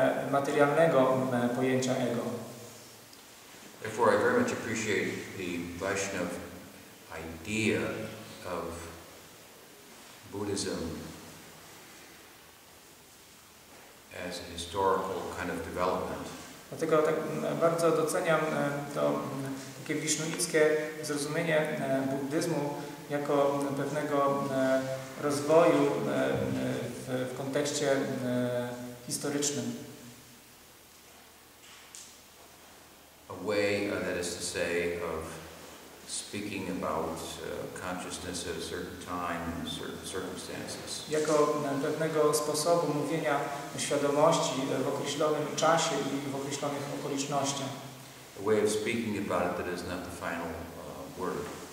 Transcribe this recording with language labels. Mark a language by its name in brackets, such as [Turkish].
[Polish] materialnego pojęcia ego. [English] Therefore, I very much appreciate the Vaishnava idea of Buddhism as a historical kind of development. [Polish] Dlatego tak bardzo doceniam to takie wisznuickie zrozumienie buddyzmu jako pewnego rozwoju w kontekście historycznym. [English] A way, that is to say, of speaking about consciousness at a certain time and certain circumstances. [Polish] Jako pewnego sposobu mówienia o świadomości w określonym czasie i w określonych okolicznościach. [English] A way of speaking about it that is not the final word.